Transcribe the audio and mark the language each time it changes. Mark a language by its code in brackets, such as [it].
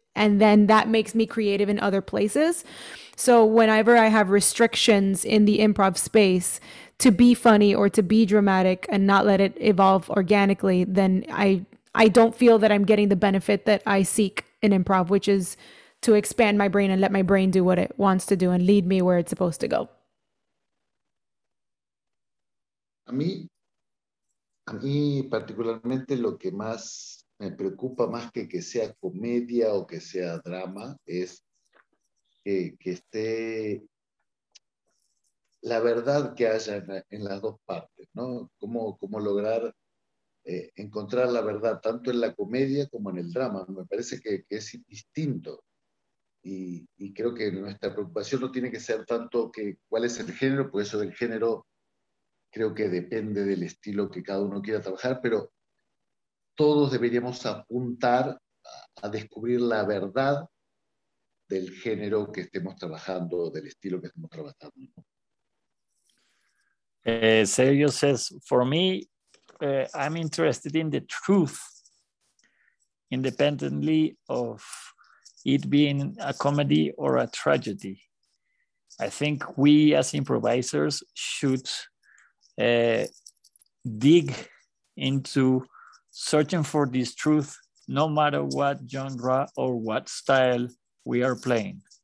[en] And then that makes me creative in other places. So whenever I have restrictions in the improv space to be funny or to be dramatic and not let it evolve organically, then I don't feel that I'm getting the benefit that I seek in improv, which is to expand my brain and let my brain do what it wants to do and lead me where it's supposed to go. [es] A mí particularmente lo que más me preocupa más que sea comedia o que sea drama es que esté la verdad que haya en las dos partes, ¿no? Cómo lograr encontrar la verdad tanto en la comedia como en el drama. Me parece que es distinto y creo que nuestra preocupación no tiene que ser tanto que cuál es el género, porque eso del género creo que depende del estilo que cada uno quiera trabajar, pero todos deberíamos apuntar a descubrir la verdad del género que estemos trabajando, del estilo que estemos trabajando. [en] Sergio says, for me, I'm interested in the truth, independently of it being a comedy or a tragedy. I think we as improvisers should dig into searching for this truth, no matter what genre or what style we are playing.